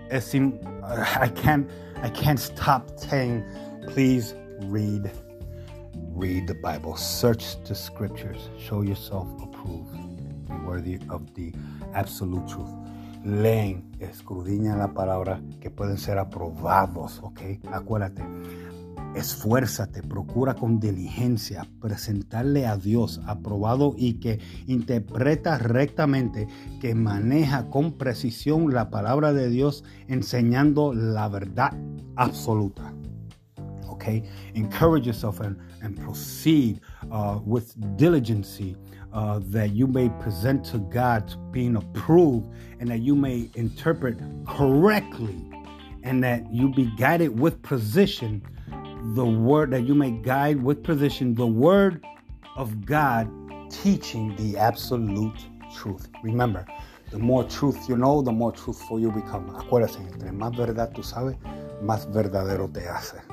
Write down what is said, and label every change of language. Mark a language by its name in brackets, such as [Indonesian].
[English] I can't stop saying, please read the Bible, search the scriptures, show yourself approved, be worthy of the absolute truth. [Spanish] Leen, escudriña la palabra, que pueden ser aprobados, ok? Acuérdate, esfuérzate, procura con diligencia presentarle a Dios aprobado y que interpreta rectamente, que maneja con precisión la palabra de Dios enseñando la verdad absoluta. [English] Okay, encourage yourself and proceed with diligence that you may present to God being approved, and that you may interpret correctly, and that you be guided with precision, the word that you may guide with precision, the word of God teaching the absolute truth. Remember, the more truth you know, the more truthful you become. [Spanish] Acuérdate, entre más verdad tú sabes, más verdadero te hace.